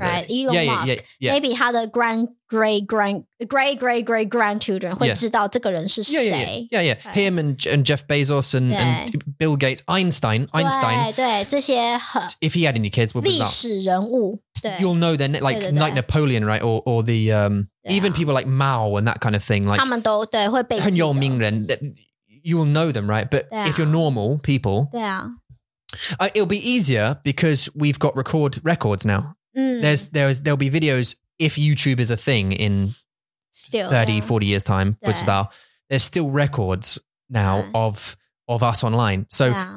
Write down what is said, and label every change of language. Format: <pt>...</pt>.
<en>right?</en> <zh>Elon Musk,</zh> <en>maybe</en> <zh>他的</zh> <en>great-great-great-grandchildren</en> <zh>会知道这个人是谁。</zh> <en>Yeah. Him and Jeff Bezos and Bill Gates, Einstein.</en> <zh>对这些很,</zh> <en>if he had any kids, we'll be not.</en> <zh>历史人物。对,</zh> <en>You'll know then, like Knight Napoleon, right? Or the, even people like Mao and that kind of thing. Like,</en> <zh>他们都会被记得。很有名人,</zh> <en>you will know them, right? But if you're normal people, it'll be easier because we've got records now. Mm. There'll be videos if YouTube is a thing in still, 30, 40 years time,</en> <zh>不知道,</zh> <en>there's still records now of of us online. So yeah.</en>